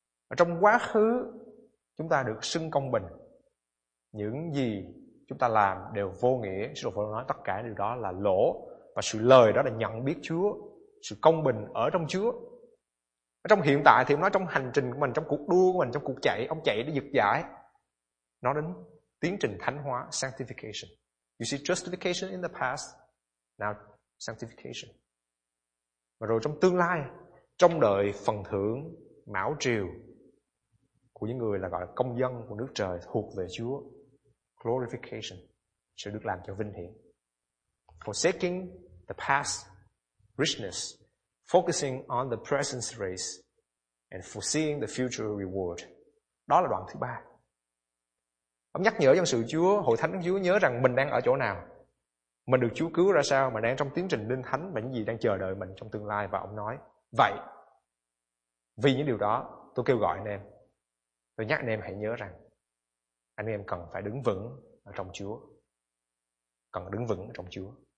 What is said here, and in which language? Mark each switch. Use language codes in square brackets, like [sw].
[vi] Và trong quá khứ, chúng ta được xưng công bình. Những gì chúng ta làm đều vô nghĩa. Sứ đồ Phaolô nói tất cả điều đó là lỗ. Và sự lời đó là nhận biết Chúa, sự công bình ở trong Chúa. Ở trong hiện tại thì ông nói trong hành trình của mình, trong cuộc đua của mình, trong cuộc chạy, ông chạy để giật giải. Nó đến tiến trình thánh hóa, sanctification. [en] You see justification in the past, now sanctification. [vi] Và rồi trong tương lai, trong đời phần thưởng mão triều của những người là gọi là công dân của nước trời thuộc về Chúa, glorification, sẽ được làm cho vinh hiển. [en] Forsaking the past richness, focusing on the present race and foreseeing the future reward. [vi] Đó là đoạn thứ ba. Ông nhắc nhở dân sự Chúa, hội thánh Chúa nhớ rằng mình đang ở chỗ nào, mình được Chúa cứu ra sao, mà đang trong tiến trình linh thánh và những gì đang chờ đợi mình trong tương lai. Và ông nói vậy, vì những điều đó tôi kêu gọi anh em, tôi nhắc anh em hãy nhớ rằng anh em cần phải đứng vững ở trong Chúa, cần đứng vững ở trong Chúa.